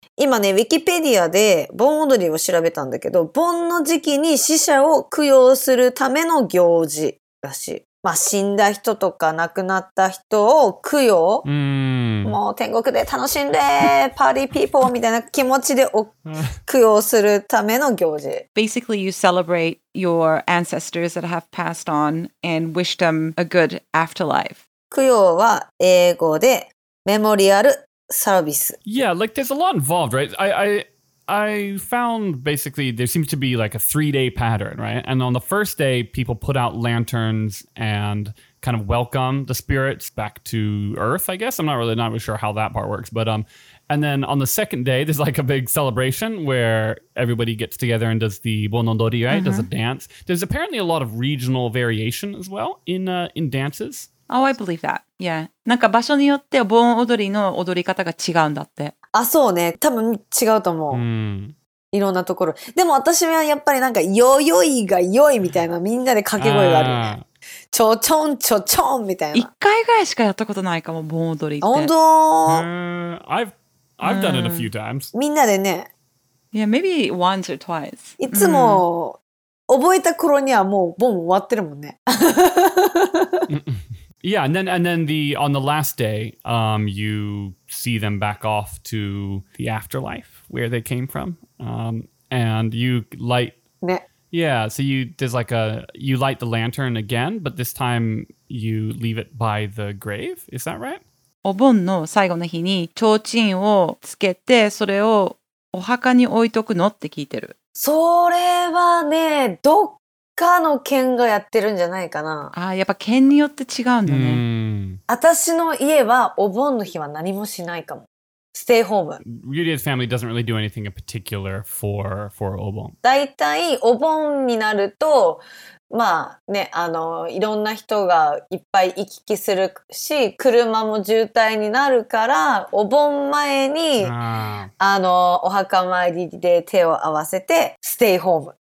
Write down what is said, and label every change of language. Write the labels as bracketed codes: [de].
[ja] 今ね、ウィキペディアで盆踊りを調べたんだけど、盆の時期に死者を供養するための行事らしい。まあ、死んだ人とか亡くなった人を供養、もう天国で楽しんでパーティーピーポーみたいな気持ちで供養するための行事。 [en] Basically, you celebrate your ancestors that have passed on and wish them a good afterlife. [ja] 供養は英語でメモリアルサービス。 [en] Yeah, like there's a lot involved, right? I found basically there seems to be like a 3-day pattern, right? And on the first day, people put out lanterns and kind of welcome the spirits back to Earth, I guess. I'm not really sure how that part works. But and then on the second day, there's like a big celebration where everybody gets together and does the bonodori, right? Mm-hmm. Does a dance. There's apparently a lot of regional variation as well in dances. Oh, I believe that. Yeah. [ja] なんか場所によって盆踊りの踊り方が違うんだって。あ、そうね。多分違うと思う。いろんなところ。でも私はやっぱりなんか、よよいがよいみたいな、みんなで掛け声がある。ちょちょんちょちょんみたいな。一回ぐらいしかやったことないかも、盆踊りって。本当？ [en] I've done it a few times. [ja] みんなでね。 [en] Yeah, maybe once or twice. [ja] いつも、覚えた頃にはもう盆終わってるもんね。 [en] Yeah, and then the on the last day, you see them back off to the afterlife where they came from, and you light. [ja] ね. [en] Yeah, so you there's like a you light the lantern again, but this time you leave it by the grave. Is that right? [ja] お盆の最後の日に提灯をつけてそれをお墓に置いとくのって聞いてる。それはね、どっかの県がやってるんじゃないかな。ああ、やっぱ県によって違うんだね。うん、私の家はお盆の日は何もしないかも。ステイホーム。 [en] Yuria's family doesn't really do anything in particular for Obon. [ja] だいたいお盆になるとまあね、あのいろんな人がいっぱい行き来するし、車も渋滞になるから、お盆前にあのお墓参りで手を合わせてステイホーム。